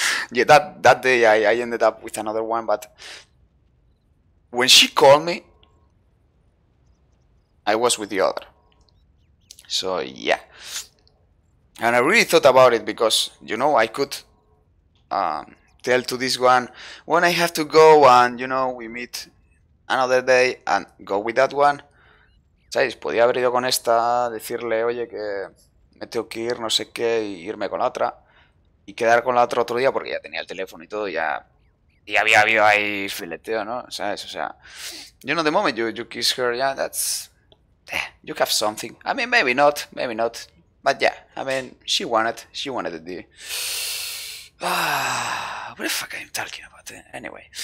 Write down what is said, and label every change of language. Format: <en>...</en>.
<en>Yeah, that day I ended up with another one, but when she called me, I was with the other. So, yeah. And I really thought about it because, you know, I could tell to this one when I have to go and, you know, we meet. Another day and go with that one.</en> <es>¿Sabéis? Podía haber ido con esta, decirle, oye, que me tengo que ir, no sé qué, y irme con la otra. Y quedar con la otra otro día porque ya tenía el teléfono y todo, ya. Y había habido ahí fileteo, ¿no? ¿Sabes? O sea.</es> <en>You know the moment you kiss her, yeah, that's. You have something. I mean, maybe not, but yeah, I mean, she wanted it. What the fuck am I talking about? Anyway.</en>